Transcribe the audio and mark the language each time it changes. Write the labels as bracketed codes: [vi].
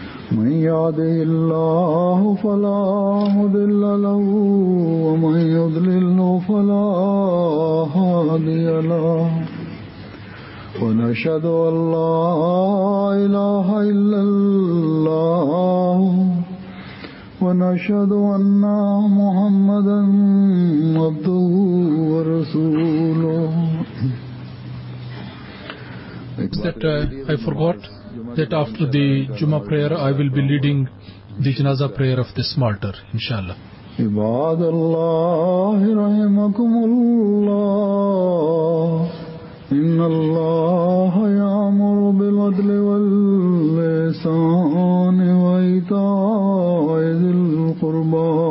[ar] من يهده الله فلا مضل له ومن يضلل فلا هادي له ونشهد أن لا إله إلا الله ونشهد أن محمدا عبده ورسوله. [en] Except I forgot that after the Juma prayer I will be leading the janaza prayer of this martyr, inshallah. [ar] عباد الله رحمكم الله إن الله يأمر بالعدل واللسان وإيتاء ذي القربى